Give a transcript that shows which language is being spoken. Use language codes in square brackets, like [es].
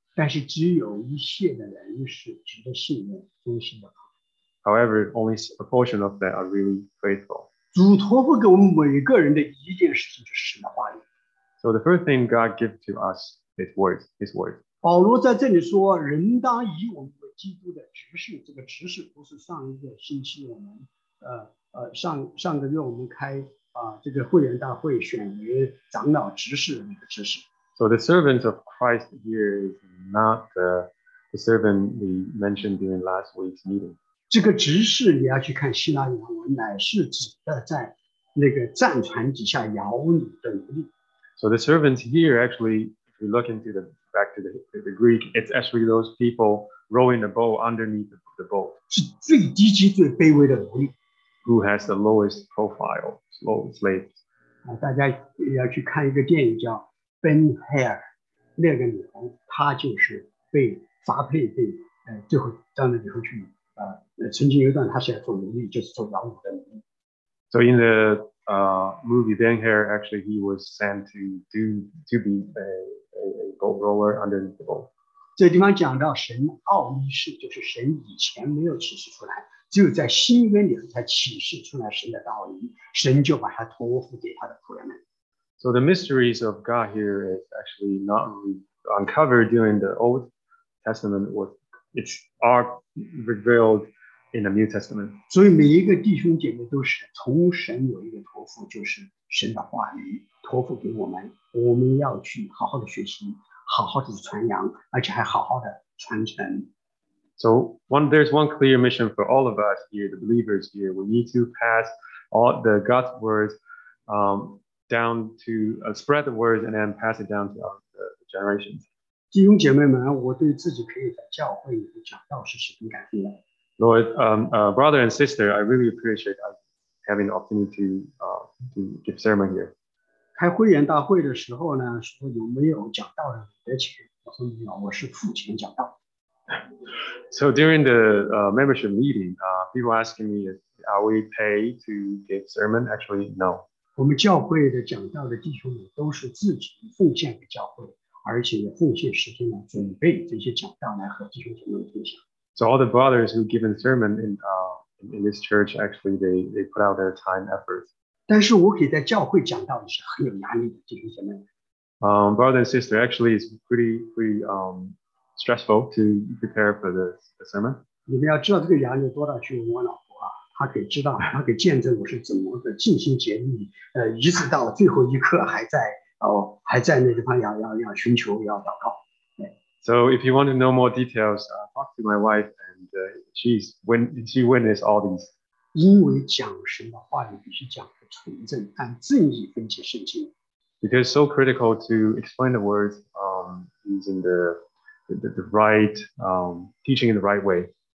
[zh] 但是只有一些的人是值得信任、忠心的。 [en] However, only a portion of them are really faithful. [zh] 主托付给我们每个人的一件事情就是神的话语。 [en] So the first thing God gives to us is word, His word. [zh] 保罗在这里说，人当以我们为基督的执事。这个执事不是上一个星期我们上个月我们开这个会员大会选为长老执事的那个执事。 [en] So the servant of Christ here is not the servant we mentioned during last week's meeting. [zh] 这个执事你要去看希腊原文乃是指的在那个战船底下摇橹的奴隶。 [en] So the servants here actually, if you look into back to the Greek, it's actually those people rowing the boat underneath the boat. [zh] 是最低级最卑微的奴隶。 [en] Who has the lowest profile, low slave? [zh] 大家要去看一个电影叫 Ben Hur， 那个女孩她就是被发配被最后到那里头去曾经有段她是要做奴隶，就是做养母的奴隶。 [en] So in the movie Ben Hur, actually he was sent to be a gold roller underneath the bowl. [zh] 这地方讲到神奥秘事，就是神以前没有启示出来。只有在新约里才启示出来神的道理，神就把它托付给他的仆人们。 [en] So the mysteries of God here is actually not uncovered during the Old Testament, or it are revealed in the New Testament. [zh] 所以每一个弟兄姐妹都是从神有一个托付，就是神的话语托付给我们，我们要去好好的学习，好好的传扬，而且还好好的传承。 [en] So one, there's one clear mission for all of us here, the believers here. We need to pass all the God's words down to spread the words and then pass it down to the generations. [zh] 弟兄姐妹们，我对自己可以在教会里讲道是十分感激的。 [en] Lord, brother and sister, I really appreciate having the opportunity to give sermon here. [zh] 开会员大会的时候呢，说有没有讲道的人请，我说没有，我是付钱讲道。 [en] So during the membership meeting, people asking me, are we paid to give sermon? Actually, no. [zh] 我们教会的讲道的弟兄们都是自己奉献给教会，而且也奉献时间来准备这些讲道来和弟兄姐妹分享。 [en] So all the brothers who give a sermon in this church, actually, they put out their time and effort. [zh] 但是我可以在教会讲道是很有压力的，弟兄姐妹。 [en] Brother and sister, actually, it's pretty stressful to prepare for the sermon. [zh] 你们要知道这个压力多大，去问我老婆啊，她可以知道，她可以见证我是怎么的尽心竭力，一直到最后一刻还在那地方要寻求要祷告。 [en] So if you want to know more details, talk to my wife, and she witnessed all these. [zh] 因为讲神的话语必须讲的纯正，按正义分解圣经。 [en] Because so critical to explain the words using the right teaching in the right way.